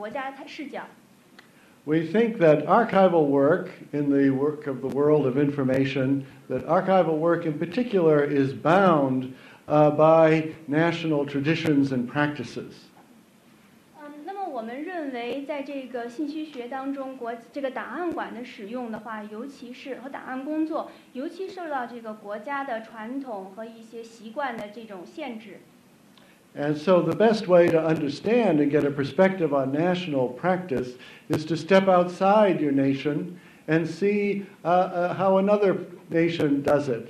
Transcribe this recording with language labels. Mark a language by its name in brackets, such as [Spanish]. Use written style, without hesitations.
[Chinese] 那么我在跟这个早些时候星期天到达的这个代表团成员也表达了这个意思，就是说我们的交流呢，是为了我们双方的每一个人在这个审视档案的应用的时候呢，有一个不同的这种国家视角。 [English] We think that archival work in the work of the world of information, that archival work in particular is bound by national traditions and practices. [Chinese] 我们认为在这个信息学当中，这个档案馆的使用的话，尤其是和档案工作，尤其受到这个国家的传统和一些习惯的这种限制。 [English] And so the best way to understand and get a perspective on national practice is to step outside your nation and see how another nation does it.